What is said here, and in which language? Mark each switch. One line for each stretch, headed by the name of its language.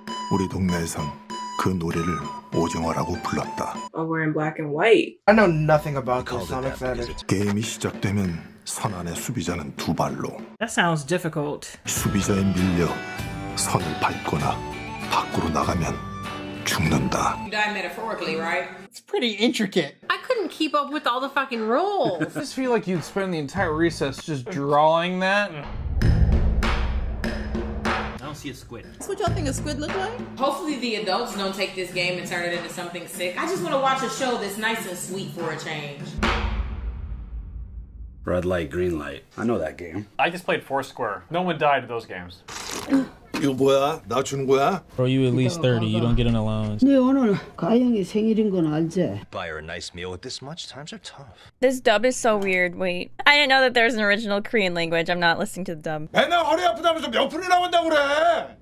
Korean: 우리 동네에선 그 놀이를 오징어라고 불렀다.
English: Oh, we're in black and white. I know nothing about the Sonic Fighters.
Korean: 게임이 시작되면 선 안에 수비자는 두 발로.
English: That sounds difficult.
Korean: 수비자에 밀려 선을 밟거나 밖으로 나가면 죽는다.
English: You die metaphorically, right? It's pretty intricate. I couldn't keep up with all the fucking rules. I just feel like you'd spend the entire recess just drawing that. See a squid. That's what y'all think a squid look like? Hopefully the adults don't take this game and turn it into something sick. I just want to watch a show that's nice and sweet for a change. Red light, green light. I know that game. I just played Foursquare. No one died of those games.
Korean: 이거 뭐야? 나 주는 거야?
English: Bro, you at least 30. You don't get an allowance.
Korean: 네, 오늘 가영이 생일인 건 알지?
English: Buy her a nice meal with this much? Times are tough. This dub is so weird. Wait. I didn't know that there's an original Korean language. I'm not listening to the dub.
Korean: 맨날 허리 아프다면서 몇 분이나 온다고 그래?